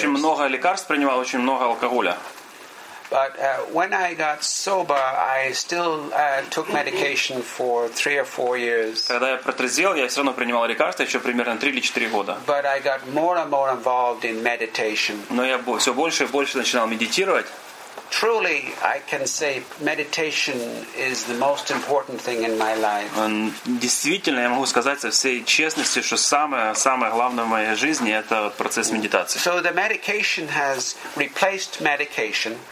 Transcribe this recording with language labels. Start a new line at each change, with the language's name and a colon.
Russian: Очень много лекарств принимал, очень много алкоголя.
English: But when I got sober, I still took medication for 3 or 4 years.
Russian: Когда я протрезвел, я все равно принимал лекарства еще примерно 3 или 4 года.
English: But I got more and more involved in meditation.
Russian: Но я все больше и больше начинал медитировать.
English: Truly, I can say meditation is the most important thing in my life.
Russian: Действительно, я могу сказать со всей честностью, что самое главное в моей жизни это процесс медитации.
English: So the medication has replaced medication.